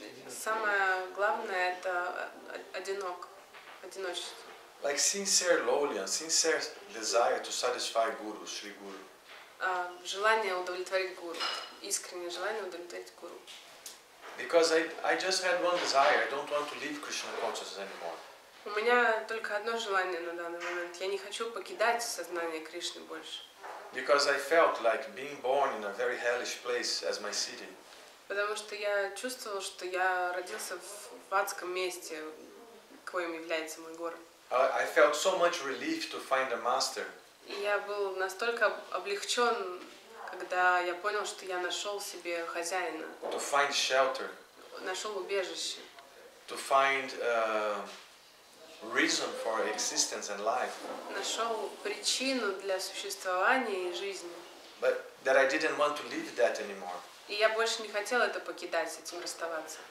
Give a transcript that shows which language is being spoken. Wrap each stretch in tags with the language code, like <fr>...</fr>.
<ru>Самое главное это одиночество.</ru> <en>Like sincere lowly, sincere desire to satisfy Guru, Sri Guru.</en> <ru>Желание удовлетворить Гуру. Искреннее желание удовлетворить Гуру.</ru> <en>Because I just had one desire. I don't want to leave Krishna consciousness anymore.</en> <ru>У меня только одно желание на данный момент. Я не хочу покидать сознание Кришны больше.</ru> <en>Because I felt like being born in a very hellish place as my city.</en> <ru>Потому что я чувствовал, что я родился в адском месте, коим является мой город.</ru> <en>I felt so much relief to find a master.</en> <ru>Я был настолько облегчен, когда я понял, что я нашел себе хозяина.</ru> <en>To find shelter.</en> <ru>Нашел убежище.</ru> <en>To find reason for existence and life.</en> <ru>Нашел причину для существования и жизни.</ru> <en>But that I didn't want to leave that anymore.</en> <ru>И я больше не хотел это покидать, этим расставаться.</ru>